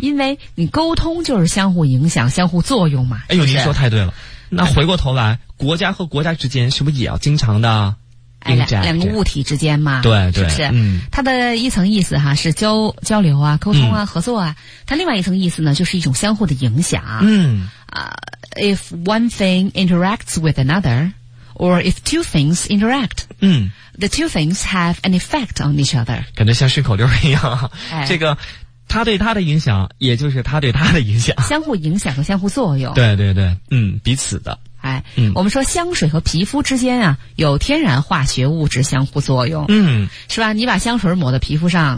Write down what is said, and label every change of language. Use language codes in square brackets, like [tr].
[zh] 因为你沟通就是相互影响、相互作用嘛。哎呦，您说太对了。那回过头来，国家和国家之间是不是也要经常的？两个物体之间嘛，对对，是不是？嗯，它的一层意思哈是交流啊、沟通啊、合作啊。它另外一层意思呢，就是一种相互的影响。嗯， [en] if one thing interacts with another, or if two things interact, the two things have an effect on each other。 [zh] 感觉像顺口溜一样，这个他对他的影响，也就是他对他的影响，相互影响和相互作用。对对对，嗯，彼此的。哎，嗯，我们说香水和皮肤之间啊，有天然化学物质相互作用，嗯，是吧？你把香水抹到皮肤上，